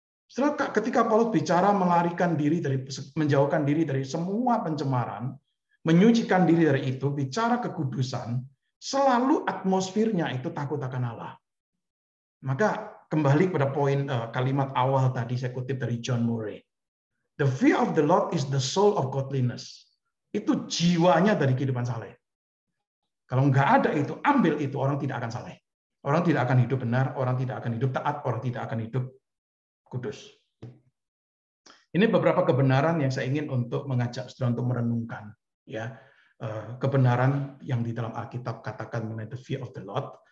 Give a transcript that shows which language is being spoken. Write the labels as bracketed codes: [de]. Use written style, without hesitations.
[id] Setelah ketika Paulus bicara melarikan diri dari menjauhkan diri dari semua pencemaran, menyucikan diri dari itu, bicara kekudusan, selalu atmosfernya itu takut akan Allah. Maka kembali pada poin kalimat awal tadi saya kutip dari John Murray. [en] The fear of the Lord is the soul of godliness. [id] Itu jiwanya dari kehidupan saleh. Kalau enggak ada itu, ambil itu, orang tidak akan saleh. Orang tidak akan hidup benar, orang tidak akan hidup taat, orang tidak akan hidup kudus. Ini beberapa kebenaran yang saya ingin untuk mengajak saudara untuk merenungkan, ya, kebenaran yang di dalam Alkitab katakan mengenai the fear of the Lord.